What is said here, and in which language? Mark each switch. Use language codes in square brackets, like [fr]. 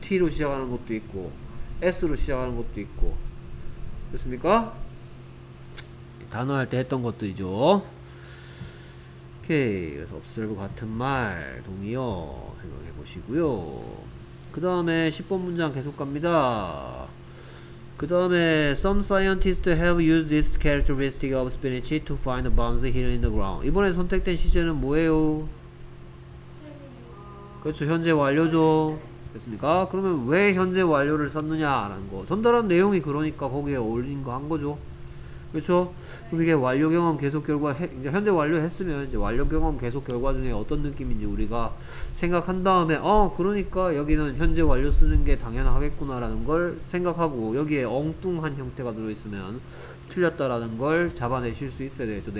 [ko] T로 시작하는 것도 있고 S로 시작하는 것도 있고 됐습니까? 단어 할 때 했던 것들이죠. 오케이. 그래서 observe 같은 말 동의어 생각해 보시고요. 그 다음에 10번 문장 계속 갑니다. 그 다음에 [en] some scientists have used this characteristic of spinach to find bombs hidden in the ground. [ko] 이번에 선택된 시제는 뭐예요? 그렇죠. 현재 완료죠. 됐습니까? 그러면 왜 현재 완료를 썼느냐라는 거 전달한 내용이 그러니까 거기에 어울리는 거 한 거죠. 그렇죠? 그럼 이게 완료 경험 계속 결과 이제 현재 완료했으면 이제 완료 경험 계속 결과 중에 어떤 느낌인지 우리가 생각한 다음에 그러니까 여기는 현재 완료 쓰는 게 당연하겠구나라는 걸 생각하고 여기에 엉뚱한 형태가 들어있으면 틀렸다라는 걸 잡아내실 수 있어야 되죠.